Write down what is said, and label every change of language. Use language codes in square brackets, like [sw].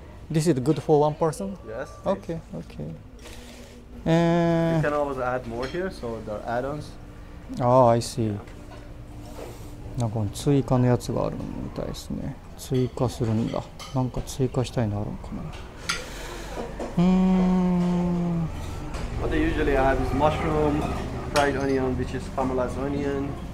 [en] This is good for one person? Yes, please. Okay. You can always add more here, so there are add-ons. ああ、I see. Yeah. [ja] なんか追加のやつがあるみたいですね。追加するんだ。なんか追加したいのあるのかな。 [en] What they usually add is mushroom, fried onion, which is caramelized onion.